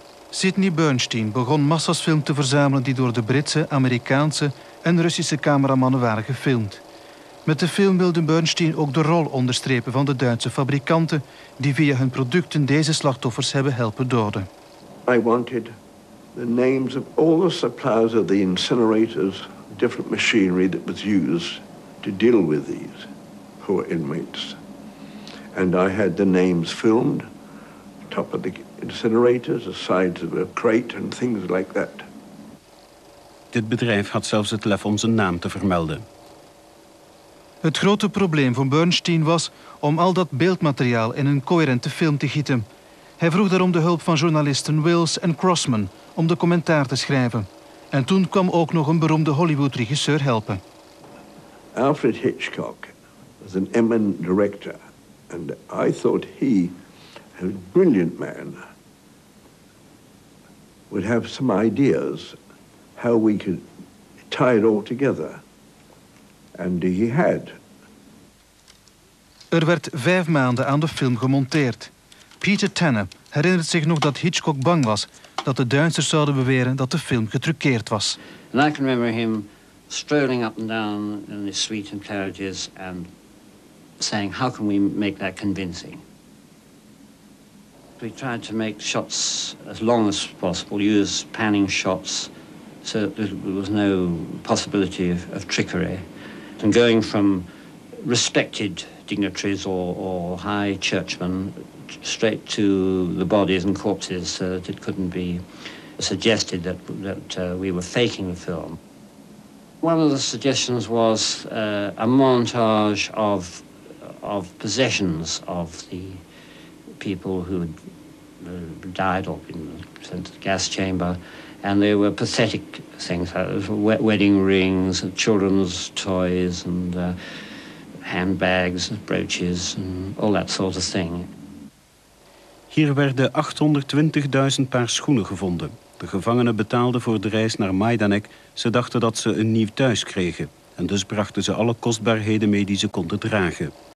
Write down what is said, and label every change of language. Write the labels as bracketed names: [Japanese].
[Dutch] Sidney Bernstein begon massa's film te verzamelen die door de Britse, Amerikaanse en Russische cameramannen waren gefilmd. Met de film wilde Bernstein ook de rol onderstrepen van de Duitse fabrikanten die via hun producten deze slachtoffers hebben helpen doden. [English] I wanted the names of all the suppliers of the incinerators, different machinery that was used to deal with these poor inmates. And I had the names filmed, top of the incinerators, the sides of a crate and things like that. [Dutch] Dit bedrijf had zelfs het lef om zijn naam te vermelden. Het grote probleem van Bernstein was om al dat beeldmateriaal in een coherente film te gieten. Hij vroeg daarom de hulp van journalisten Wills en Crossman om de commentaar te schrijven. En toen kwam ook nog een beroemde Hollywood-regisseur helpen. Alfred Hitchcock was een eminent director. En ik dacht dat hij een briljant man zou hebben [English] some ideas how we could tie it all together. And he had. [Dutch] Er werd 5 maanden aan de film gemonteerd. Peter Tanner herinnert zich nog dat Hitchcock bang was dat de Duitsers zouden beweren dat de film getruckeerd was. [English] And I can remember him strolling up and down in his suite and carriages and saying, how can we make that convincing? We tried to make shots as long as possible, use panning shots, so that there was no possibility of trickery. And going from respected dignitaries or high churchmen straight to the bodies and corpses so that it couldn't be suggested that we were faking the film. One of the suggestions was a montage of possessions of the people who had died or been sent to the gas chamber. And they were pathetic things, wedding rings, children's toys, and handbags, brooches, and all that sort of thing. [Dutch] Hier werden 820.000 paar schoenen gevonden. De gevangenen betaalden voor de reis naar Majdanek. Ze dachten dat ze een nieuw thuis kregen. En dus brachten ze alle kostbaarheden mee die ze konden dragen.